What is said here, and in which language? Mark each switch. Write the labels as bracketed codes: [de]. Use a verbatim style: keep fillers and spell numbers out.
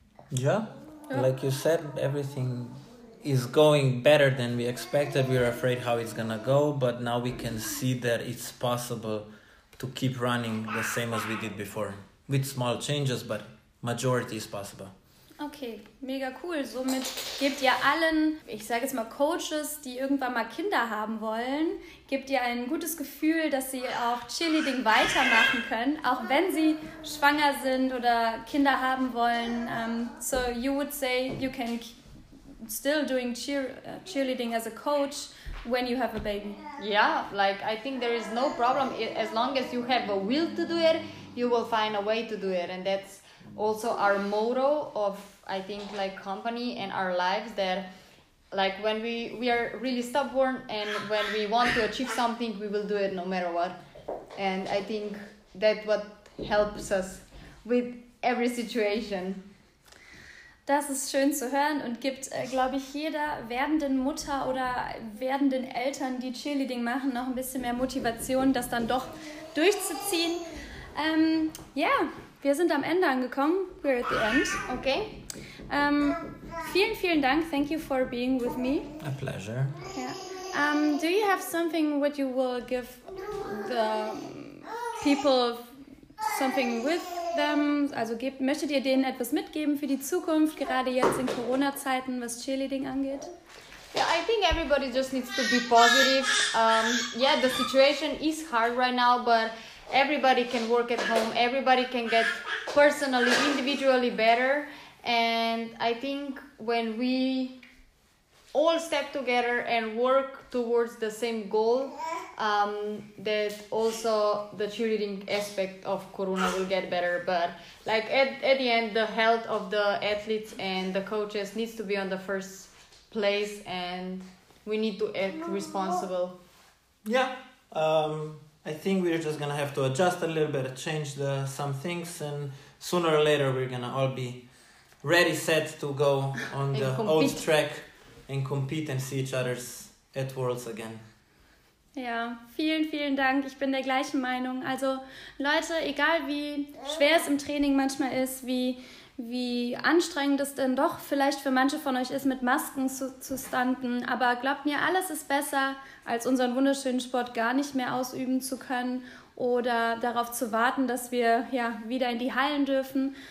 [en] Yeah, like you said, everything is going better than we expected. We were afraid how it's gonna go, but now we can see that it's possible to keep running the same as we did before. With small changes, but majority is possible. [de] Okay, mega cool. Somit gebt ihr allen, ich sage jetzt mal Coaches, die irgendwann mal Kinder haben wollen, gebt ihr ein gutes Gefühl, dass sie auch Cheerleading weitermachen können, auch wenn sie schwanger sind oder Kinder haben wollen. [en] Um, so you would say you can still doing cheer, uh, cheerleading as a coach when you have a baby. Yeah, like I think there is no problem as long as you have a will to do it. You will find a way to do it, and that's also our motto of, I think, like company and our lives, that like when we we are really stubborn and when we want to achieve something, we will do it no matter what. And I think that what helps us with every situation. [de] Das ist schön zu hören und gibt, äh, glaube ich, jeder werdenden Mutter oder werdenden Eltern, die Cheerleading machen, noch ein bisschen mehr Motivation, das dann doch durchzuziehen. Ja, um, yeah, wir sind am Ende angekommen. [en] We're at the end, okay? Um, [de] vielen, vielen Dank. [en] Thank you for being with me. A pleasure. Yeah. Um, do you have something what you will give the people, something with them? [de] Also gebt, möchtet ihr denen etwas mitgeben für die Zukunft, gerade jetzt in Corona-Zeiten, was Cheerleading angeht? [en] Yeah, I think everybody just needs to be positive. Um, yeah, the situation is hard right now, but everybody can work at home, everybody can get personally, individually better, and I think when we all step together and work towards the same goal, um, that also the cheerleading aspect of Corona will get better, but like at, at the end, the health of the athletes and the coaches needs to be on the first place, and we need to act responsible. Yeah. Um... I think we're just gonna have to adjust a little bit, change the some things, and sooner or later we're gonna all be ready, set to go on the compete. old track and compete and see each other's at Worlds again. [de] Ja, vielen, vielen Dank. Ich bin der gleichen Meinung. Also Leute, egal wie schwer es im Training manchmal ist, wie wie anstrengend es denn doch vielleicht für manche von euch ist, mit Masken zu, zu standen. Aber glaubt mir, alles ist besser, als unseren wunderschönen Sport gar nicht mehr ausüben zu können oder darauf zu warten, dass wir ja wieder in die Hallen dürfen.